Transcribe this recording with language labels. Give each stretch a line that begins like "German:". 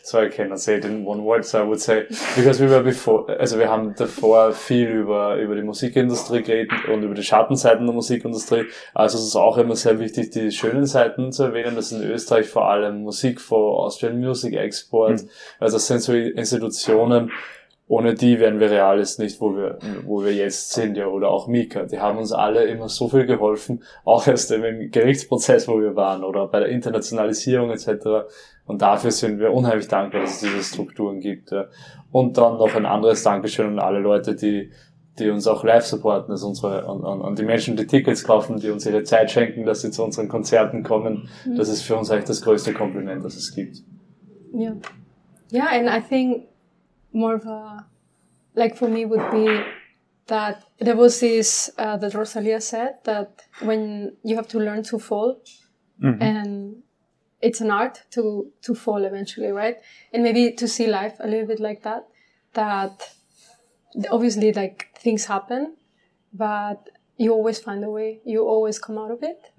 English: So I cannot say it in one word. So I would say, because we were before...
German: Also wir haben davor viel über die Musikindustrie geredet und über die Schattenseiten der Musikindustrie. Also es ist auch immer sehr wichtig, die schönen Seiten zu erwähnen. Das ist in Österreich vor allem Musik for Austrian Music Export. Mhm. Also das sind so Institutionen, ohne die wären wir realist nicht, wo wir jetzt sind, ja, oder auch Mika. Die haben uns alle immer so viel geholfen, auch erst im Gerichtsprozess, wo wir waren, oder bei der Internationalisierung etc. Und dafür sind wir unheimlich dankbar, dass es diese Strukturen gibt. Ja. Und dann noch ein anderes Dankeschön an alle Leute, die uns auch live supporten, also unsere und die Menschen, die Tickets kaufen, die uns ihre Zeit schenken, dass sie zu unseren Konzerten kommen. Das ist für uns eigentlich das größte Kompliment, das es gibt. Ja. Yeah.
English: Yeah, and I think more of a, like for me would be that there was this, that Rosalia said, that when you have to learn to fall, and it's an art to fall eventually, right? And maybe to see life a little bit like that, that obviously like things happen, but you always find a way, you always come out of it.